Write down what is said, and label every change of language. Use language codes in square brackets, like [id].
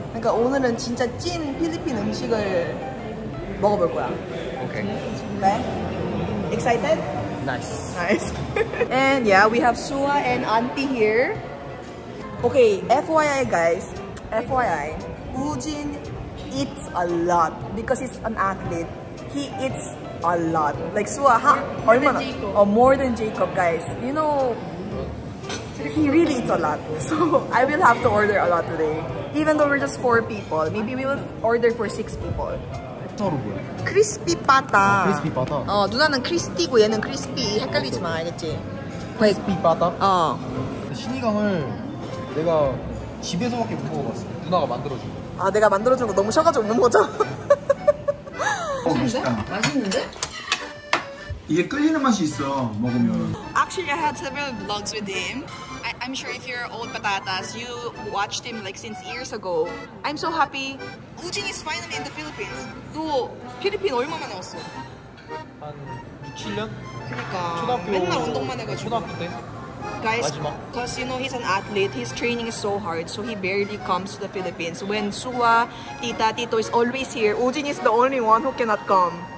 [ko] 그러니까 오늘은 진짜 찐 필리핀 음식을 먹어볼 거야. 오케이. [en] Okay. Excited? Nice. Nice. And yeah, we have Sua and Auntie here. Okay, FYI guys, FYI, 우진 eats a lot because he's an athlete. He eats a lot. Like Sua, ha? More than Jacob. More than Jacob, guys. You know. He really eats a lot, so I will have to order a lot today. Even though we're just four people, maybe we will order for six people. Crispy pata. Crispy pata. [ko] 누나는 crispy고 얘는 crispy. 헷갈리지 마, 알겠지? [en] Crispy pata. [ko] 어. 신이강을 내가 집에서밖에 못 먹어봤어. 누나가 만들어준 거. 아, 내가 만들어준 거 너무 셔가지고 없는 거죠? 맛있는데? 맛있는데? 이게 끌리는 맛이 있어, 먹으면. [en] Actually, I had several vlogs with him. I'm sure if you're old patatas, you watched him like since years ago. I'm so happy. 우진 is finally in the Philippines. [ko] 너 필리핀 얼마 만에 왔어? 한 6, 7년? 그러니까. 초등학교. 맨날 운동만 해가지고. 초등학교 때? [en] Guys, because you know he's an athlete, his training is so hard, so he barely comes to the Philippines. When Sua, Tita, Tito is always here, 우진 is the only one who cannot come.